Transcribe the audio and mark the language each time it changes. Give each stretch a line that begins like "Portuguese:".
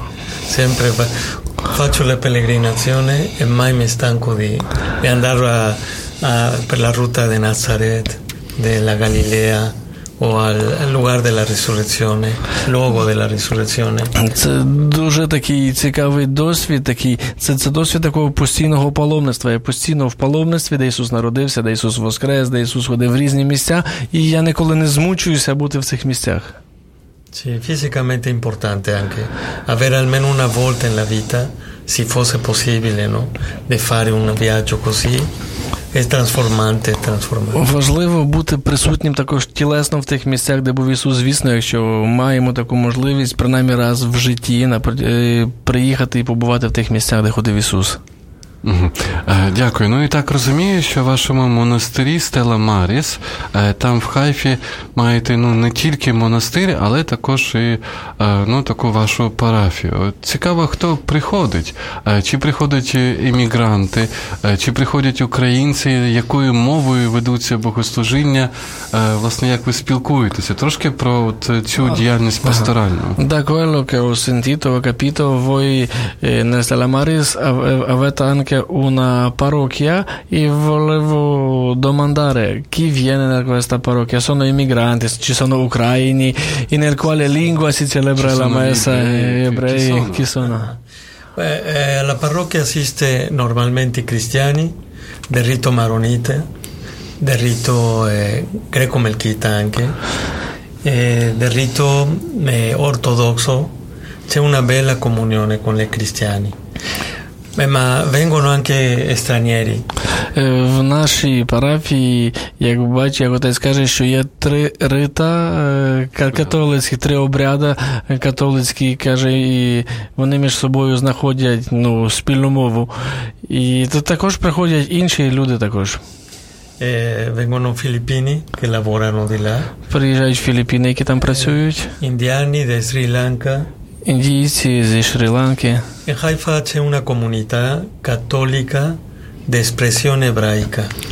Italian: Sempre faccio la pellegrinazione e mai mi stanco di andare per la ruta di Nazareth, della Galilea, o al lugar della risurrezione, luogo della risurrezione.
Ukrainian: Це дуже такий цікавий досвід, це досвід такого постійного паломництва. Я постійно в паломництві, де Ісус народився, де Ісус воскрес, де Ісус ходив в різні місця, і я ніколи не змучуюся бути в цих місцях.
Italian: Sì, fisicamente importante anche avere almeno una volta nella vita, se fosse possibile, no? Di fare un viaggio così. Трансформанте.
Ukrainian: Важливо бути присутнім також тілесно в тих місцях, де був Ісус. Звісно, якщо маємо таку можливість, принаймні раз в житті, приїхати і побувати в тих місцях, де ходив Ісус. Дякую. І так розумію, що в вашому монастирі Стела Маріс, там в Хайфі маєте не тільки монастир, але також і таку вашу парафію. Цікаво, хто приходить? Чи приходять іммігранти? Чи приходять українці? Якою мовою ведуться богослужіння? Власне, як ви спілкуєтеся? Трошки про цю діяльність пасторальну.
Italian: Да, quello che ho sentito, ho capito, voi nel Stella Maris avete anche invece una parrocchia e volevo domandare chi viene da questa parrocchia. Sono immigranti, ci sono ucraini, in quale lingua si celebra la messa? Ebrei, chi sono? La parrocchia assiste normalmente cristiani del rito maronite, del rito greco-melchita anche, del rito ortodosso. C'è una bella comunione con i cristiani, ma vengono anche stranieri.
Ukrainian: В нашій парафії, як бачиш, як ти скажеш, що є три рита католицькі, три обряди католицькі, каже, і вони між собою знаходять спільну мову. І то також приходять інші люди також.
Italian: Vengono filippini che lavorano di là.
Ukrainian: Приїжджають філіппіни, які там працюють. Індіани зі Шрі-Ланки.
Italian: Indici di Sri Lanka. In Haifa c'è una comunità cattolica di espressione ebraica.